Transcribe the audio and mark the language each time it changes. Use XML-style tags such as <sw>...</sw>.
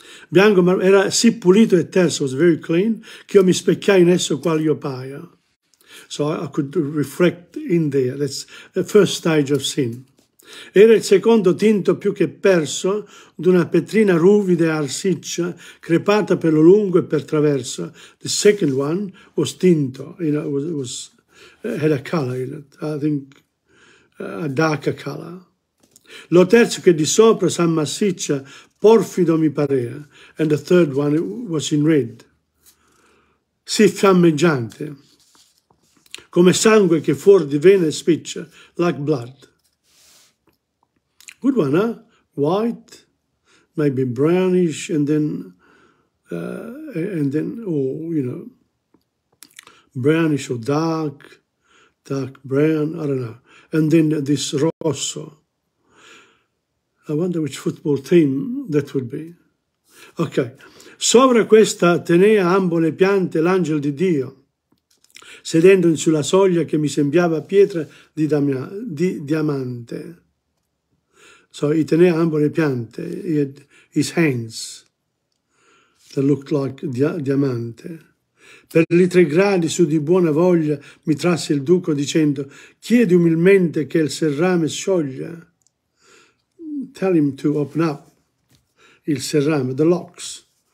<it>Bianco era sì pulito e terso,</it> <en>was very clean,</en> <it>che io mi specchiai in esso quali io paio.</it> <en>So I could reflect in there. That's the first stage of sin.</en> <it>Era il secondo tinto più che perso d'una petrina ruvida e arsiccia crepata per lo lungo e per traverso.</it> <en>The second one was tinto, you know, it was had a color in it, I think a darker color.</en> <it>Lo terzo che di sopra s'ammassiccia porfido mi parea,</it> <en>and the third one was in red,</en> <it>si fiammeggiante, come sangue che fuor di vene spiccia,</it> <en>like blood. Good one, huh? White, maybe brownish, and then, or you know, brownish or dark brown. I don't know. And then this rosso. I wonder which football team that would be.</en> <it>Okay, sopra questa tenea ambo le piante l'angel di Dio, sedendo in sulla soglia che mi sembrava pietra di diamante.</it> <en>So he</en> <it>tenea ambo le piante,</it> <en>he had his hands that looked like diamante.</en> <it>Per li tre gradi su di buona voglia mi trasse il duco dicendo, chiedi umilmente che il serrame scioglia.</it> <en>Tell him to open up il serrame, the locks.</en>